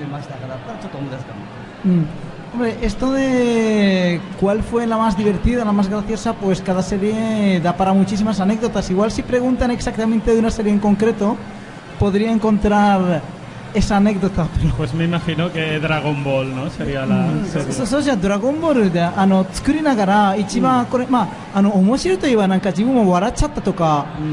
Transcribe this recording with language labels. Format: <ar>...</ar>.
<ja>いや、面白い出来事満載で何度も体壊しましたし、事故も起こしましたから、どれが一番面白いかって聞かれるとね、なかなか難しいですが、なんだろう、いっぱいありましたね。例えば、どの作品の時に何が起こしましたかだったらちょっと思い出すかも。</ja> <es>Esto de cuál fue la más divertida, la más graciosa, pues cada serie da para muchísimas anécdotas. Igual si preguntan exactamente de una serie en concreto, podría encontrar esa anécdota. Pero pues me imagino que Dragon Ball, ¿no? Sería la serie. Sí,</es> <ja>Dragon Ball de あの、作りながら一番これ、まあ、面白いといえばなんか自分も笑っちゃったとか。</ja>